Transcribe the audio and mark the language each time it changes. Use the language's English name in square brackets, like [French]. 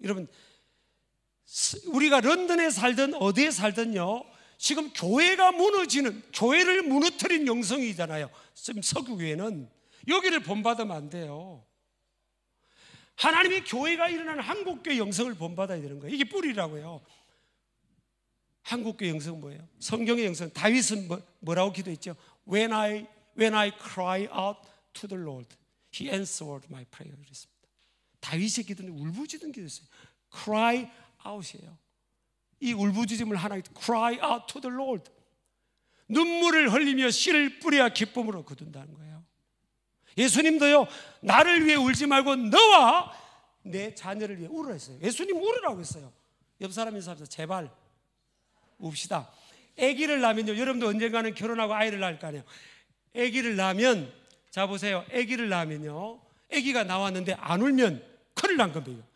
[Korean] 여러분, 우리가 런던에 살든 어디에 살든요, 지금 교회가 무너지는, 교회를 무너뜨린 영성이잖아요. 지금 서구교회는 여기를 본받으면 안 돼요. 하나님의 교회가 일어난 한국교회 영성을 본받아야 되는 거예요. 이게 뿌리라고요. 한국교회 영성은 뭐예요? 성경의 영성. 다윗은 뭐라고 기도했죠? [English] When I cry out to the Lord, He answered my prayer. [Korean] 그랬습니다. 다윗의 기도는 울부짖은 기도였어요. Cry out이에요. 이 울부짖음을 하나의 [English] cry out to the Lord. [Korean] 눈물을 흘리며 씨를 뿌려야 기쁨으로 거둔다는 거예요. 예수님도요, 나를 위해 울지 말고 너와 내 자녀를 위해 울어 했어요. 예수님 울으라고 했어요. 옆 사람 인사하면서 제발 웁시다. 아기를 낳으면요, 여러분도 언젠가는 결혼하고 아이를 낳을 거 아니에요. 아기를 낳으면, 자 보세요, 아기를 낳으면요, 아기가 나왔는데 안 울면 큰일 난 겁니다.